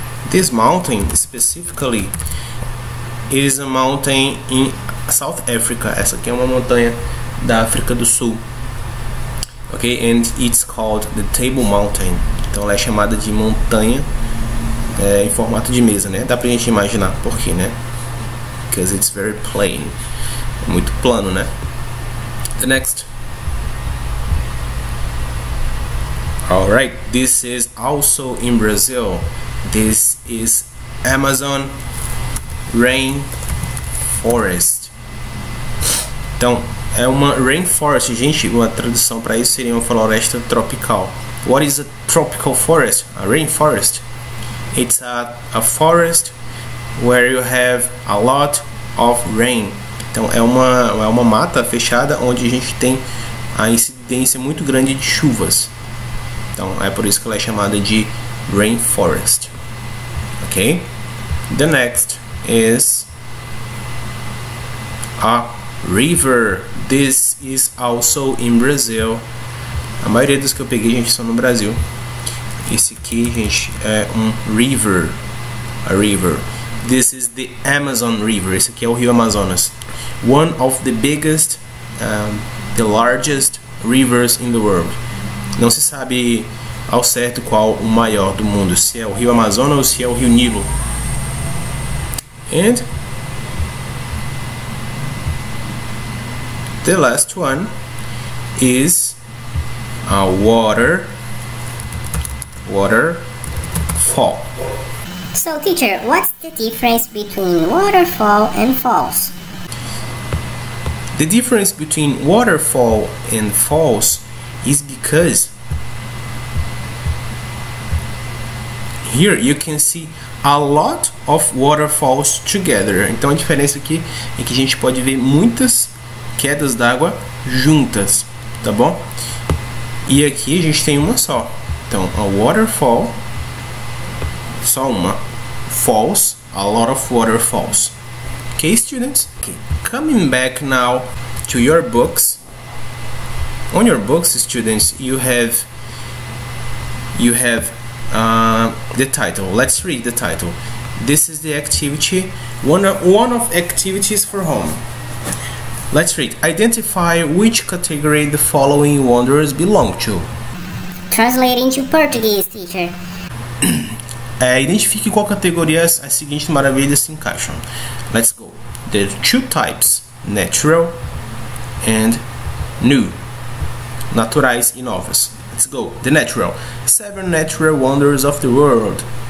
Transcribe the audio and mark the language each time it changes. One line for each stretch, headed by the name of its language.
English: This mountain specifically is a mountain in South Africa.
Portuguese: Essa aqui é uma montanha da África do Sul.
English: Okay, and it's called the Table Mountain.
Portuguese: Então ela é chamada de montanha em formato de mesa, né? Dá pra gente imaginar por quê, né?
English: Because it's very plain.
Portuguese: Muito plano, né?
English: The next. Alright, this is also in Brazil. This is Amazon Rainforest.
Portuguese: Então, é uma rainforest, gente. Uma tradução para isso seria uma floresta tropical.
English: What is a tropical forest? A rainforest. It's a forest where you have a lot of rain.
Portuguese: Então é uma mata fechada onde a gente tem a incidência muito grande de chuvas. Então, é por isso que ela é chamada de rainforest. Ok?
English: The next is a river. This is also in Brazil.
Portuguese: A maioria dos que eu peguei, gente, são no Brasil. Esse aqui, gente, é um river. A river.
English: This is the Amazon River.
Portuguese: Esse aqui é o Rio Amazonas.
English: One of the biggest, the largest rivers in the world.
Portuguese: Não se sabe ao certo qual o maior do mundo, se é o Rio Amazonas ou se é o Rio Nilo.
English: And the last one is a waterfall. So, teacher, what's the difference between waterfall and falls? The difference between waterfall and falls is because here you can see a lot of waterfalls together.
Portuguese: Então a diferença aqui é que a gente pode ver muitas quedas d'água juntas, tá bom? E aqui a gente tem uma só. Então a waterfall, só uma.
English: Falls, a lot of waterfalls. Okay, students? Okay. Coming back now to your books. On your books, students, you have the title. Let's read the title. This is the activity, one of activities for home. Let's read. Identify which category the following wanderers belong to. Translating to Portuguese, teacher.
Portuguese: Identifique qual categoria as seguintes maravilhas se encaixam.
English: Let's go. The two types, natural and new.
Portuguese: Naturais e novas.
English: Let's go. The natural. Seven natural wonders of the world.